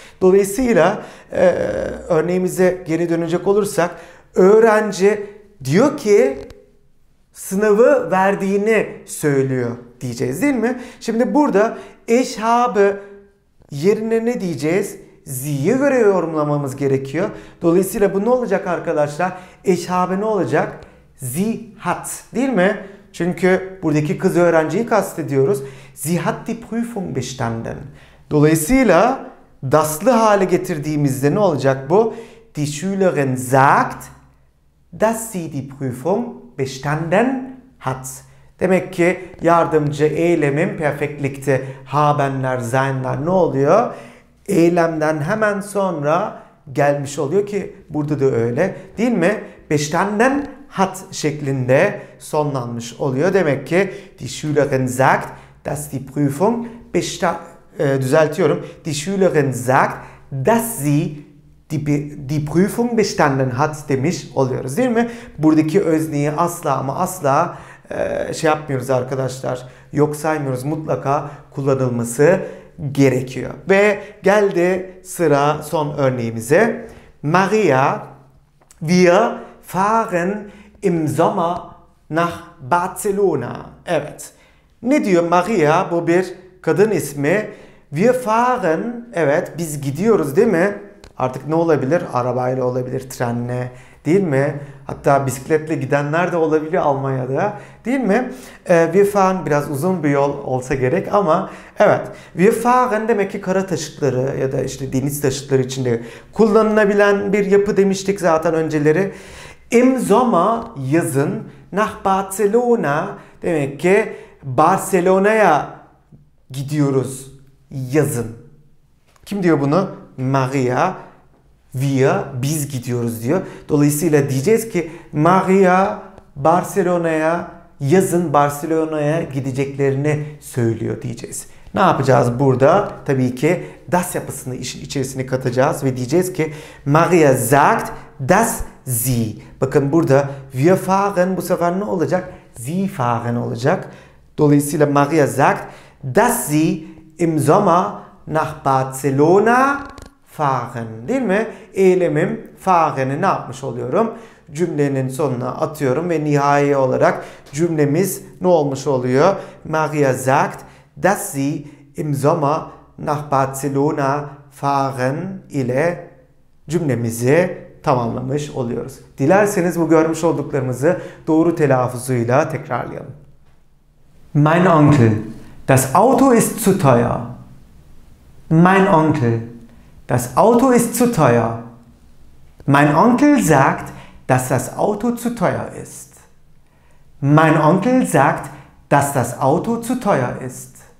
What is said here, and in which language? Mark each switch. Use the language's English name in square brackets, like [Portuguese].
[Turkish] Dolayısıyla örneğimize geri dönecek olursak, öğrenci diyor ki sınavı verdiğini söylüyor diyeceğiz, değil mi? Şimdi burada ich habe yerine ne diyeceğiz? Sie'ye göre yorumlamamız gerekiyor. Dolayısıyla bu ne olacak arkadaşlar? [German] Ich habe [Turkish] ne olacak? [German] Sie hat, [Turkish] değil mi? Çünkü buradaki kız öğrenciyi kastediyoruz. [German] Sie hat die Prüfung bestanden. [Turkish] Dolayısıyla daslı hale getirdiğimizde ne olacak bu? [German] Die Schülerin sagt, dass sie die Prüfung bestanden hat. [Turkish] Demek ki yardımcı eylemin perfektlikte habenler, seinler ne oluyor? Eylemden hemen sonra gelmiş oluyor ki burada da öyle, değil mi? [German] Bestanden hat [Turkish] şeklinde sonlanmış oluyor. Demek ki [German] die Schülerin sagt, dass die Prüfung [Turkish] düzeltiyorum. [German] Die Schülerin sagt, dass sie die Prüfung bestanden hat [Turkish] demiş oluyoruz, değil mi? Buradaki özneyi asla ama asla şey yapmıyoruz arkadaşlar, yok saymıyoruz, mutlaka kullanılması gerekiyor. Ve geldi sıra son örneğimize. [German] Maria, wir fahren im Sommer nach Barcelona. [Turkish] Evet, ne diyor Maria? Bu bir kadın ismi. Wir fahren, evet biz gidiyoruz, değil mi? Artık ne olabilir? Arabayla olabilir, trenle, değil mi? Hatta bisikletle gidenler de olabiliyor Almanya'da, değil mi? Wir fahren, biraz uzun bir yol olsa gerek ama evet. Wir fahren demek ki kara taşıtları ya da işte deniz taşıtları içinde kullanılabilen bir yapı demiştik zaten önceleri. Im Sommer, yazın, nach Barcelona, demek ki Barcelona'ya gidiyoruz yazın. Kim diyor bunu? Maria. Via, biz gidiyoruz diyor. Dolayısıyla diyeceğiz ki Maria Barcelona'ya yazın Barcelona'ya gideceklerini söylüyor diyeceğiz. Ne yapacağız burada? Tabii ki das yapısını işin içerisine katacağız ve diyeceğiz ki [German] Maria sagt, dass sie. [Turkish] Bakın burada [German] wir fahren [Turkish] bu sefer ne olacak? [German] Sie fahren [Turkish] olacak. Dolayısıyla [German] Maria sagt, dass sie im Sommer nach Barcelona fahren, [Turkish] değil mi? Eylemim fahren'i ne yapmış oluyorum? Cümlenin sonuna atıyorum ve nihai olarak cümlemiz ne olmuş oluyor? [German] Maria sagt, dass sie im Sommer nach Barcelona fahren [Turkish] ile cümlemizi tamamlamış oluyoruz. Dilerseniz bu görmüş olduklarımızı doğru telaffuzuyla tekrarlayalım. [German] Mein Onkel, das Auto ist zu teuer. Mein Onkel, das Auto ist zu teuer. Mein Onkel sagt, dass das Auto zu teuer ist. Mein Onkel sagt, dass das Auto zu teuer ist.